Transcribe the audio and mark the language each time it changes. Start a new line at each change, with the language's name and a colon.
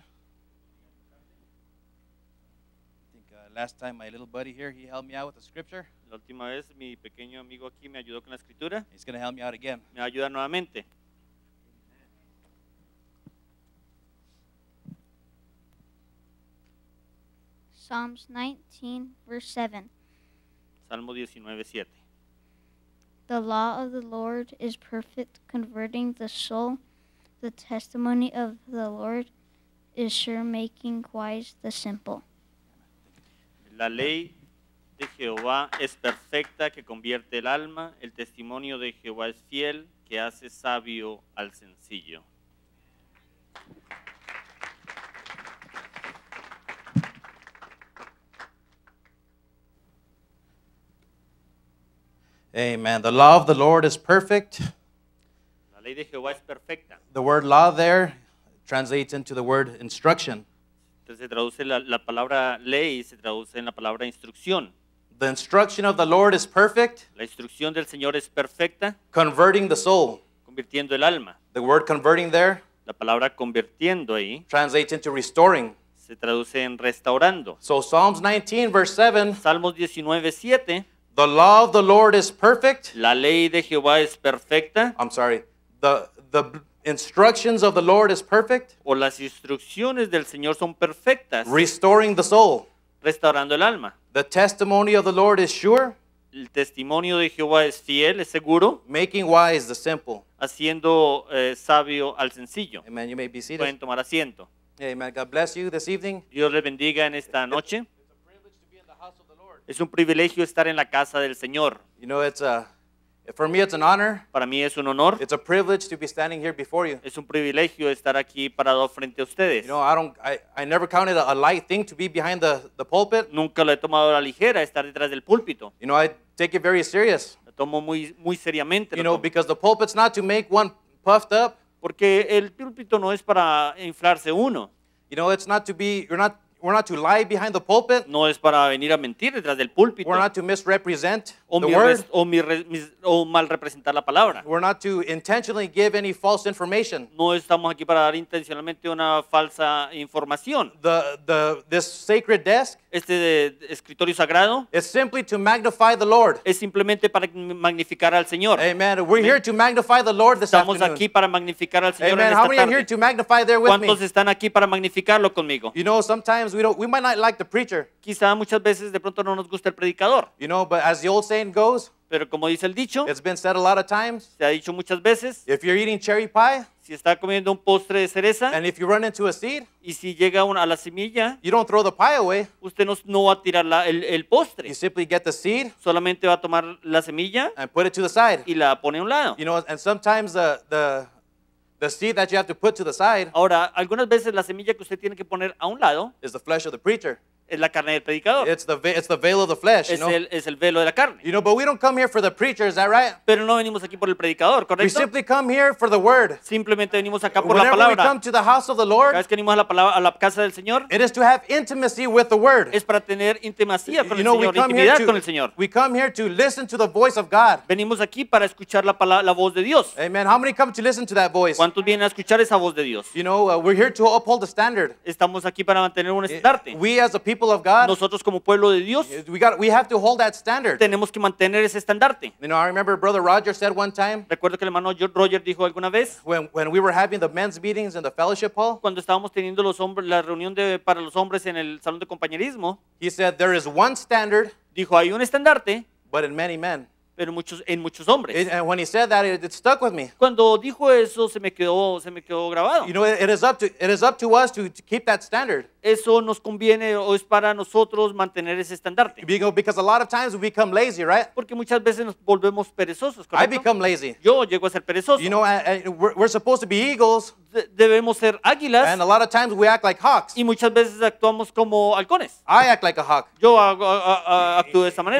English: I think last time my little buddy here, he helped me out with the scripture.
Spanish: La última vez mi pequeño amigo aquí me ayudó con la escritura.
English: He's going to help me out again.
Spanish: Me ayuda nuevamente.
English: Psalms 19:7.
Spanish: Salmo 19:7.
English: The law of the Lord is perfect, converting the soul. The testimony of the Lord is sure, making wise the simple.
Spanish: La ley de Jehová es perfecta, que convierte el alma. El testimonio de Jehová es fiel, que hace sabio al sencillo.
English: Amen. The law of the Lord is perfect.
Spanish: La ley de Jehová es perfecta.
English: The word law there translates into the word instruction.
Spanish: Entonces se traduce la palabra ley y se traduce en la palabra instrucción.
English: The instruction of the Lord is perfect.
Spanish: La instrucción del Señor es perfecta.
English: Converting the soul.
Spanish: Convirtiendo el alma.
English: The word converting there.
Spanish: La palabra convirtiendo ahí.
English: Translates into restoring.
Spanish: Se traduce en restaurando.
English: So Psalms 19 verse 7.
Spanish: Salmos 19, 7.
English: The law of the Lord is perfect.
Spanish: La ley de Jehová es perfecta.
English: I'm sorry. The instructions of the Lord is perfect.
Spanish: O las instrucciones del Señor son perfectas.
English: Restoring the soul.
Spanish: Restaurando el alma.
English: The testimony of the Lord is sure.
Spanish: El testimonio de Jehová es fiel, es seguro.
English: Making wise the simple.
Spanish: Haciendo sabio al sencillo.
English: Amen. You may be seated.
Spanish: Pueden tomar asiento.
English: Amen. God bless you this evening.
Spanish: Dios les bendiga en esta noche. Es un privilegio estar en la casa del Señor.
English: You know, for me it's an honor.
Spanish: Para mí es un honor.
English: It's a privilege to be standing here before you.
Spanish: Es un privilegio estar aquí parado frente a ustedes.
English: You know, I never counted a light thing to be behind the pulpit.
Spanish: Nunca lo he tomado a la ligera estar detrás del púlpito.
English: You know, I take it very serious.
Spanish: Lo tomo muy muy seriamente.
English: You know, because the pulpit's not to make one puffed up.
Spanish: Porque el púlpito no es para inflarse uno.
English: You know, it's not to be, we're not to lie behind the pulpit.
Spanish: No es para venir a mentir detrás del púlpito.
English: We're not to misrepresent the
Spanish: word. O mal representar la palabra.
English: We're not to intentionally give any false information.
Spanish: No estamos aquí para dar intencionalmente una falsa información.
English: This sacred desk.
Spanish: Este escritorio sagrado.
English: Is simply to magnify the Lord.
Spanish: Es simplemente para magnificar al Señor.
English: Amen. We're here to magnify the Lord this
Spanish: estamos
English: afternoon.
Spanish: Aquí para magnificar al Señor.
English: Amen.
Spanish: En esta
English: how
Spanish: tarde.
English: Many are here to magnify there with
Spanish: ¿cuántos
English: me?
Spanish: ¿Cuántos están aquí para magnificarlo conmigo?
English: You know, sometimes we might not like the preacher.
Spanish: Quizá muchas veces de pronto no nos gusta el predicador.
English: You know, but as the old saying goes.
Spanish: Pero como dice el dicho,
English: it's been said a lot of times.
Spanish: Se ha dicho muchas veces.
English: If you're eating cherry pie,
Spanish: si está comiendo un postre de cereza,
English: and if you run into a seed,
Spanish: y si llega a la semilla,
English: you don't throw the pie away.
Spanish: Usted no va a tirar el postre.
English: You simply get the seed,
Spanish: solamente va a tomar la semilla,
English: and put it to the side,
Spanish: y la pone a un lado.
English: You know, and sometimes the seed that you have to put to the side,
Spanish: ahora algunas veces la semilla que usted tiene que poner a un lado,
English: is the flesh of the preacher.
Spanish: Es la carne del predicador.
English: It's the veil of the flesh,
Spanish: es
English: you know.
Spanish: Es el velo de la carne.
English: You know, but we don't come here for the preacher, is that right?
Spanish: Pero no venimos aquí por el predicador, ¿correcto?
English: We simply come here for the word.
Spanish: Simplemente venimos acá por
English: whenever
Spanish: la palabra.
English: We come to the house of the Lord.
Spanish: Cada vez que venimos a la casa del Señor.
English: It is to have intimacy with the word.
Spanish: Es para tener intimacia con
English: you know,
Spanish: el Señor, intimidad con el Señor.
English: We come here to listen to the voice of God.
Spanish: Venimos aquí para escuchar la voz de Dios.
English: Amen. How many come to listen to that voice?
Spanish: ¿Cuántos vienen a escuchar esa voz de Dios?
English: You know, we're here to uphold the standard.
Spanish: Estamos aquí para mantener un estandarte.
English: We as a people of God.
Spanish: Nosotros como pueblo de Dios,
English: we have to hold that standard.
Spanish: Tenemos que mantener ese estandarte.
English: You know, I remember Brother Roger said one time.
Spanish: Recuerdo que el hermano Roger dijo alguna vez.
English: When we were having the men's meetings in the fellowship hall.
Spanish: Cuando estábamos teniendo la reunión para los hombres en el salón de compañerismo.
English: He said there is one standard.
Spanish: Dijo hay un estandarte.
English: But in many men.
Spanish: Pero en muchos hombres.
English: And when he said that, it stuck with me.
Spanish: Cuando dijo eso, se me quedó grabado.
English: You know, it is up to us to keep that standard.
Spanish: Eso nos conviene o es para nosotros mantener ese estandarte.
English: Because a lot of times we become lazy, right?
Spanish: Porque muchas veces nos volvemos perezosos, ¿correcto?
English: I become lazy.
Spanish: Yo llego a ser perezoso.
English: You know, we're supposed to be eagles.
Spanish: Debemos ser águilas.
English: And a lot of times we act like hawks.
Spanish: Y muchas veces actuamos como halcones.
English: I act like a hawk.
Spanish: Yo actúo de esa manera.